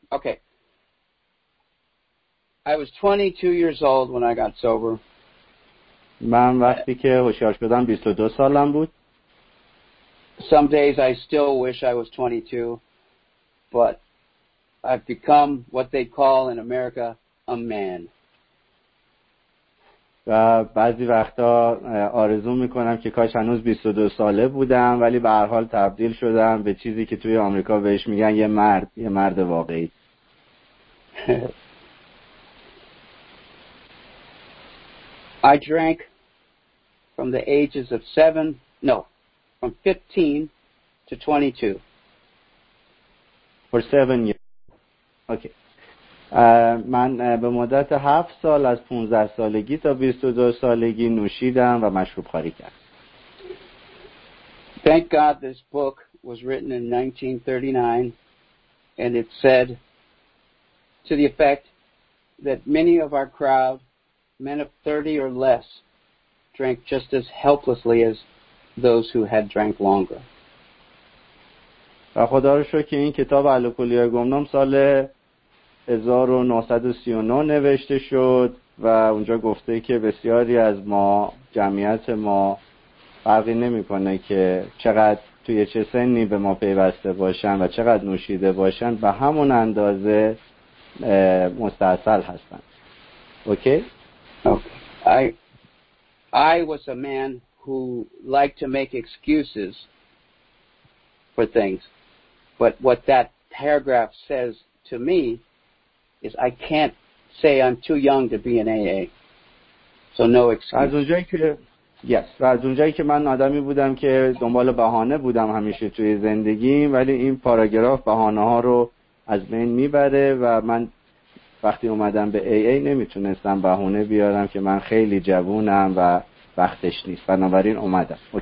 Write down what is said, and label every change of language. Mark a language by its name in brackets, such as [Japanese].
[English] Okay. I was 22 years old when I got sober. [Persian] من وقتی که هوشیار شدم 22 سالم بود. [English] Some days I still wish I was 22, but I've become what they call in America a man. [Persian] و بعضی وقتا آرزو میکنم که کاش هنوز 22 ساله بودم، ولی به هر حال تبدیل شدم به چیزی که توی آمریکا بهش میگن یه مرد، یه مرد واقعی. [English] I drank from the ages of 7, no, from 15 to 22. For 7 years. Okay. [Persian] من به مدت 7 سال از 15 سالگی تا 22 سالگی نوشیدم و مشروب خوری کردم. [English] Thank God this book was written in 1939 and it said to the effect that many of our crowd, men of 30 or less, drank just as helplessly as those who had drank longer. [Persian] و خدا رو شکر این کتاب الکلی‌های گمنام سال 1939 نوشته شد و اونجا گفته که بسیاری از ما، جمعیت ما، فرقی نمی‌کنه که چقدر توی چه سنی به ما پیوسته باشن و چقدر نوشیده باشن، به همون اندازه مستعصل هستن. [English] Okay? Okay. I was a man who liked to make excuses for things, but what that paragraph says to me is I can't say I'm too young to be an AA. So no excuse. [Persian] از اونجایی که [English] yes. [Persian] و از اونجایی که من آدمی بودم که دنبال بهانه بودم همیشه توی زندگیم، ولی این پاراگراف بهانه ها رو از بین میبره و من وقتی اومدم به AA نمیتونستم بهونه بیارم که من خیلی جوونم و وقتش نیست، بنابراین اومدم.